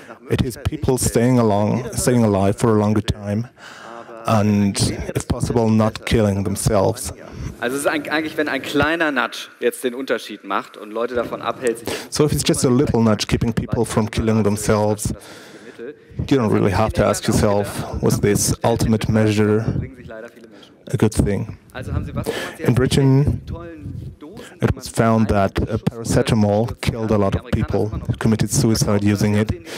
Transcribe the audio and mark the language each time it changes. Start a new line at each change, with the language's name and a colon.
English: It is people staying alive for a longer time and, if possible, not killing themselves.
German: Also, es ist eigentlich, wenn ein kleiner Nudge jetzt den Unterschied macht und Leute davon abhält.
English: So, if it's just a little nudge keeping people from killing themselves, you don't really have to ask yourself, was this ultimate measure a good thing? In Britain, it was found that a paracetamol killed a lot of people who committed suicide using it.